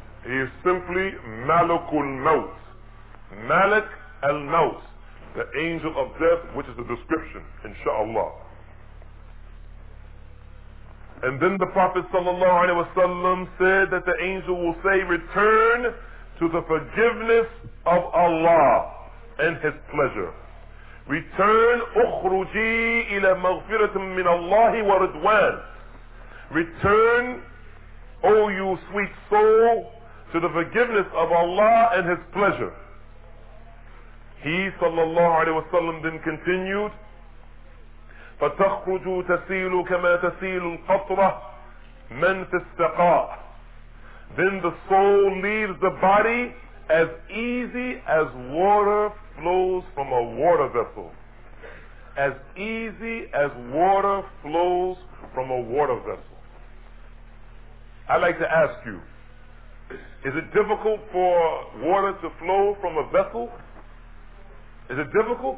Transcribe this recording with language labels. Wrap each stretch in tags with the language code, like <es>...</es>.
<en>He is simply Malakul Maut. Malak al-Maut, the angel of death, which is a description, inshaAllah. And then the Prophet sallallahu alayhi wa sallam said that the angel will say, return to the forgiveness of Allah and His pleasure. Return,</en> <ar>أخرجي إلى مغفرة من الله ورضوان.</ar> <en>Return, O you sweet soul, to the forgiveness of Allah and His pleasure. He,</en> <ar>صلى الله عليه وسلم,</ar> <en>then continued,</en> <ar>فتخرج تسيل كما تسيل القطرة من في السقاء.</ar> <en>Then the soul leaves the body as easy as water flows from a water vessel. As easy as water flows from a water vessel. I'd like to ask you, is it difficult for water to flow from a vessel? Is it difficult?</en>